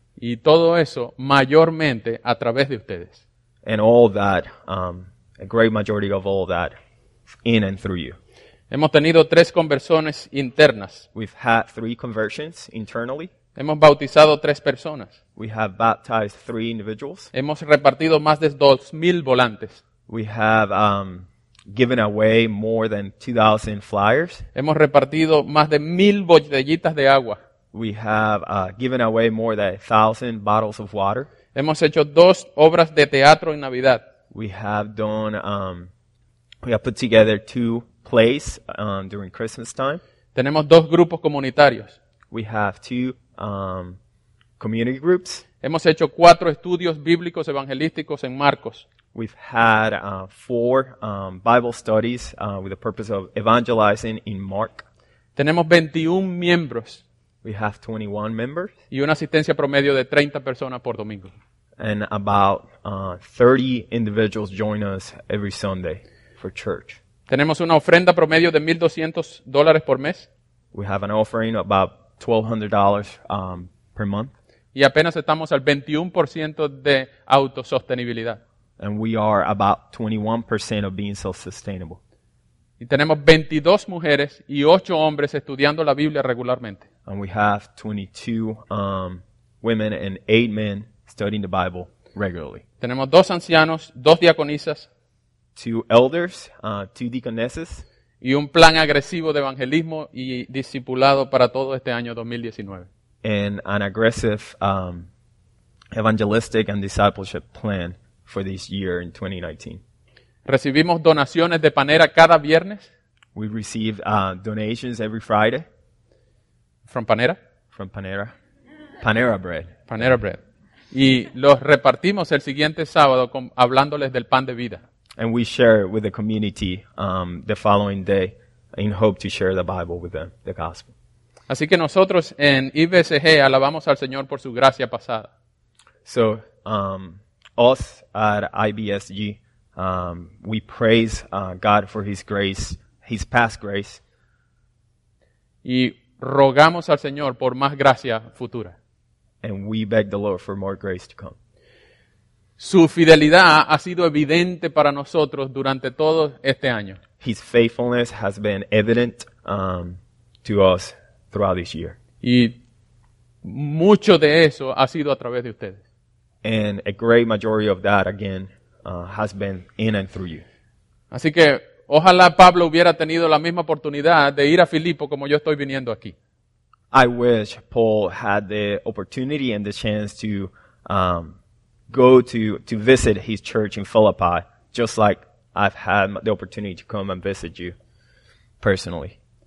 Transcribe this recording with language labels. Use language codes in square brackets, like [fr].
[es] Y todo eso mayormente a través de ustedes. [en] And all that, a great majority of all that, in and through you. [es] Hemos tenido 3 conversiones internas. [en] We've had 3 conversions internally. [es] Hemos bautizado 3 personas. [en] We have baptized 3 individuals. [es] Hemos repartido más de 2,000 volantes. [en] We have given away more than 2,000 flyers. [es] Hemos repartido más de 1,000 botellitas de agua. [en] We have given away more than 1,000 bottles of water. [es] Hemos hecho 2 obras de teatro en Navidad. [en] We have done, we have put together 2 plays during Christmas time. [es] Tenemos 2 grupos comunitarios. [en] We have 2 community groups. [es] Hemos hecho 4 estudios bíblicos evangelísticos en Marcos. [en] We've had 4 Bible studies with the purpose of evangelizing in Mark. [es] Tenemos 21 miembros. [en] We have 21 members. [es] Y una asistencia promedio de 30 personas por domingo. [en] And about 30 individuals join us every Sunday for church. [es] Tenemos una ofrenda promedio de $1,200 por mes. [en] We have an offering about $1,200 per month. [es] Y apenas estamos al 21% de autosostenibilidad. [en] And we are about 21% of being self-sustainable. [es] Y tenemos 22 mujeres y 8 hombres estudiando la Biblia regularmente. [en] And we have 22 women and 8 men studying the Bible regularly. [es] Tenemos 2 ancianos, 2 diaconisas. [en] 2 elders, 2 deaconesses. [es] Y un plan agresivo de evangelismo y discipulado para todo este año 2019. [en] And an aggressive evangelistic and discipleship plan for this year in 2019. [es] Recibimos donaciones de Panera cada viernes. [en] We receive donations every Friday. From Panera? From Panera. Panera bread. Panera bread. [es] Y los repartimos el siguiente sábado con, hablándoles del pan de vida. [en] And we share it with the community the following day in hope to share the Bible with them, the gospel. [es] Así que nosotros en IBSG alabamos al Señor por su gracia pasada. [en] So, us at IBSG, we praise God for His grace, His past grace. [es] Y rogamos al Señor por más gracia futura. [en] And we beg the Lord for more grace to come. [es] Su fidelidad ha sido evidente para nosotros durante todo este año. [en] His faithfulness has been evident to us throughout this year. [es] Y mucho de eso ha sido a través de ustedes. [en] And a great majority of that, again, has been in and through you. [es] Así que ojalá Pablo hubiera tenido la misma oportunidad de ir a Filipo como yo estoy viniendo aquí. [en] I wish Paul had the opportunity and the chance to go to visit his church in Philippi, just like I've had the opportunity to come and visit you personally.